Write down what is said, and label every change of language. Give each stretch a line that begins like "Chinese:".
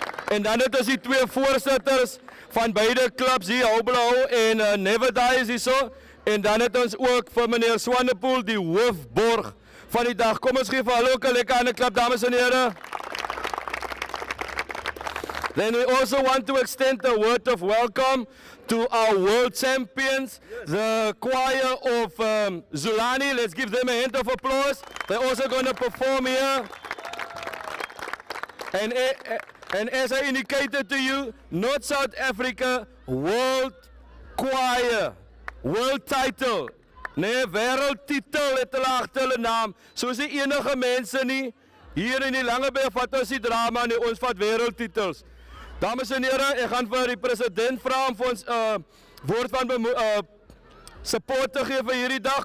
Afrikaans: En dan het ons die twee voorsitters van beide clubs hier, Houblou en Never Die is hier so. En dan het ons ook vir meneer Swanepoel, die hoofborg van die dag. Kom ons geef hom ook 'n lekker hande klap, dames en heren.
English: Then we also want to extend a word of welcome to our world champions, yes, the choir of Zulani. Let's give them a hand of applause. They're also going to perform here. And as I indicated to you, not South Africa, world choir, world title.
Afrikaans: Nee,
English: world title,
Afrikaans: het hulle agter hulle naam. Soos die enige mense nie, hier in die Langeberg vat ons die drama nie, ons vat world titles. Dames en heren, ek gaan vir die president vra om vir ons woord van support te gee vir hierdie dag.